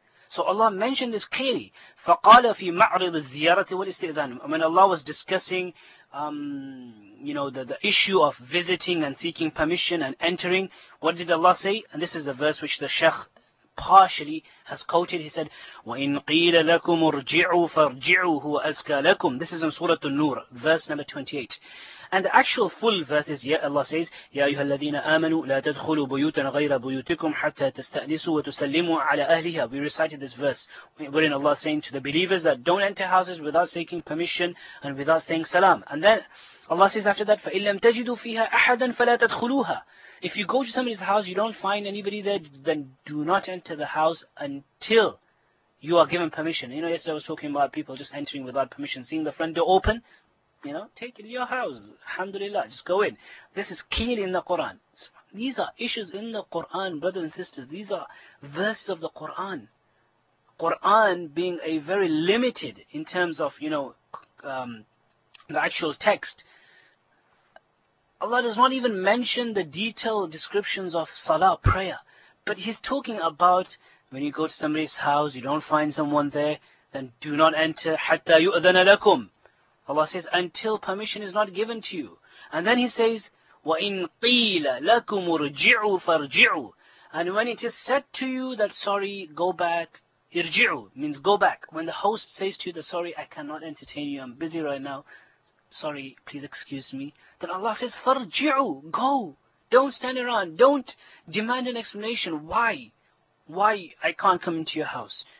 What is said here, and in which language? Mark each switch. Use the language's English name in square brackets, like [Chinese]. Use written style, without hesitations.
[English] So Allah mentioned this clearly. [Arabic] فَقَالَ فِي مَعْرِضِ الزِّيَارَةِ وَالْإِسْتِئْذَانِ. [English] When Allah was discussing the issue of visiting and seeking permission and entering, what did Allah say? And this is the verse which the Sheikh partially has quoted. He said, [Arabic] وَإِن قِيلَ لَكُمْ ارْجِعُوا فَارْجِعُوا هُوَ أَزْكَى لَكُمْ. [English] This is in Surah An-Nur, verse number 28. And the actual full verse is, yeah, Allah says, [Arabic] يَا أَيُّهَا الَّذِينَ آمَنُوا لَا تَدْخُلُوا بُيُوتًا غَيْرَ بُيُوتِكُمْ حَتَّى تَسْتَأْنِسُوا وَتُسَلِّمُوا عَلَى أَهْلِهَا. [English] We recited this verse, wherein Allah is saying to the believers that don't enter houses without seeking permission and without saying salam. And then Allah says after that, [Arabic] فَإِن لَمْ تَجِدُوا فِيهَا أَحَدًا فَلَا تَدْخُلُوهَا. [English] If you go to somebody's house, you don't find anybody there, then do not enter the house until you are given permission. You know, yesterday I was talking about people just entering without permission, seeing the front door open. You know, take it to your house. Alhamdulillah, just go in. This is clear in the Quran. These are issues in the Quran, brothers and sisters. These are verses of the Quran. Quran being a very limited in terms of, you know, the actual text. Allah does not even mention the detailed descriptions of salah, prayer. But he's talking about when you go to somebody's house, you don't find someone there, then do not enter. [Arabic] حَتَّى يُؤْذَنَ لَكُمْ. [English] Allah says, until permission is not given to you. And then he says, [Arabic] وَإِن قِيلَ لَكُمُ ارْجِعُوا فَارْجِعُوا. [English] And when it is said to you that, sorry, go back, irji'u means go back. When the host says to you that, sorry, I cannot entertain you, I'm busy right now, sorry, please excuse me, then Allah says, فَارْجِعُوا, go. Don't stand around. Don't demand an explanation. Why? Why I can't come into your house?